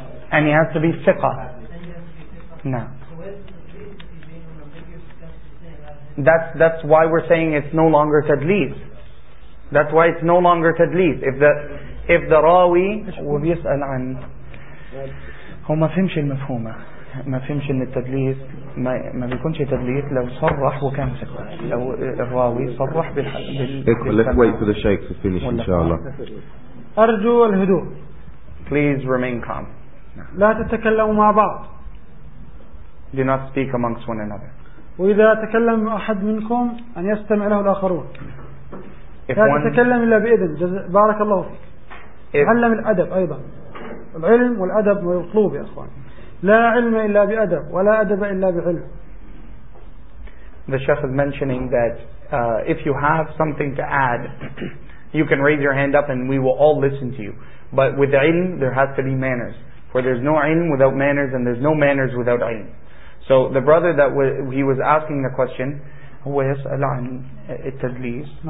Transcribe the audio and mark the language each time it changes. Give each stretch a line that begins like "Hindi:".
English: And he has to be fiqh. No. That's why we're saying it's no longer tadlis. That's why it's no longer tadlis. If the rawi will be asked an,
Arabic: هو ما فهمش المفهومة ما فهمش إن التدليس ما بيكونش تدليس لو صرح وكان ثقة لو الراوي صرح
English: Let's wait for the Shaykh to finish
Arabic: إن شاء الله. أرجو الهدوء.
English: Please remain calm.
Arabic: لا تتكلموا مع بعض.
English: Do not speak amongst one another.
Arabic: وإذا تكلم أحد منكم أن يستمع له الآخرون. لا تتكلم إلا بإذن. بارك الله فيك. علم الأدب أيضا. العلم والأدب مطلوب يا أخوان. لا علم إلا بأدب ولا أدب إلا بعلم.
English: The Sheikh is mentioning that if you have something to add, you can raise your hand up and we will all listen to you. But with علم, there has to be manners. For there's no علم without manners and there's no manners without علم. So the brother that he was asking the question,
Arabic: هو يسأل عن التدليس.